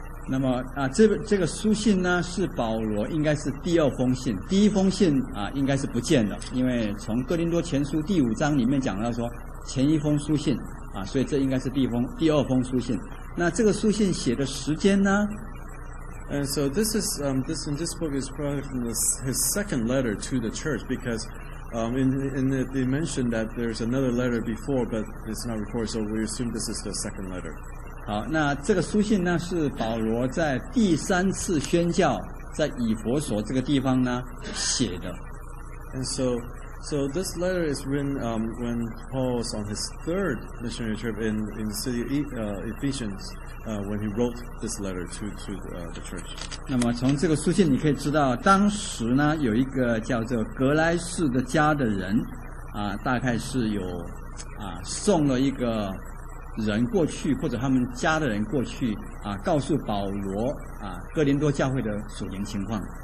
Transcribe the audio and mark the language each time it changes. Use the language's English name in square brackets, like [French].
[Chinese] 那么这个书信呢是保罗应该是第二封信，第一封信应该是不见了，因为从哥林多前书第五章里面讲到说前一封书信所以这应该是第二封书信。那这个书信写的时间呢？ [English] And so this is this book is probably from his second letter to the church because in it they mentioned that there's another letter before but it's not recorded, so we assume this is the second letter. [Chinese] 好，那这个书信呢是保罗在第三次宣教在以弗所这个地方呢写的。 [English] And so this letter is written when Paul was on his third missionary trip in the city of Ephesians when he wrote this letter to the church. [Chinese] 那么从这个书信你可以知道，当时呢有一个叫做格莱士的家的人大概是有送了一个人过去，或者他们家的人过去告诉保罗哥林多教会的属灵情况。